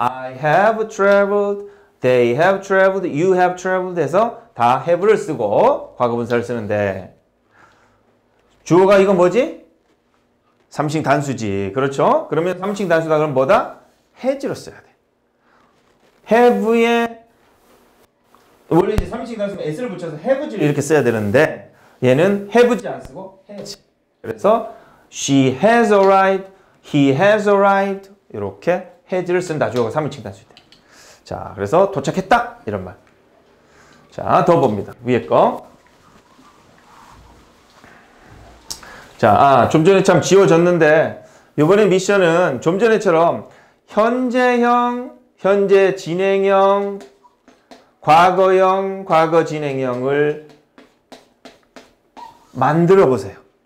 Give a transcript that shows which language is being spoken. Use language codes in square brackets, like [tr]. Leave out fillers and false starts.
[en] I have traveled. They have traveled, you have traveled [ko] 해서 다 have를 쓰고 과거분사를 쓰는데 주어가 이거 뭐지? 삼칭 단수지. 그렇죠? 그러면 삼칭 단수다 그럼 뭐다? has로 써야 돼. have에 원래 이제 삼칭 단수는 s를 붙여서 have지 이렇게 써야 되는데 얘는 have지 안 쓰고 has. [en] 그래서 she has arrived, he has arrived [ko] 이렇게 has를 쓴다. 주어가 삼칭 단수 때. 자, 그래서 도착했다 이런 말. 자, 더 봅니다. 위에 거. 자, 좀 전에 참 지워졌는데 이번에 미션은 좀 전에처럼 현재형, 현재 진행형, 과거형, 과거 진행형을 만들어 보세요.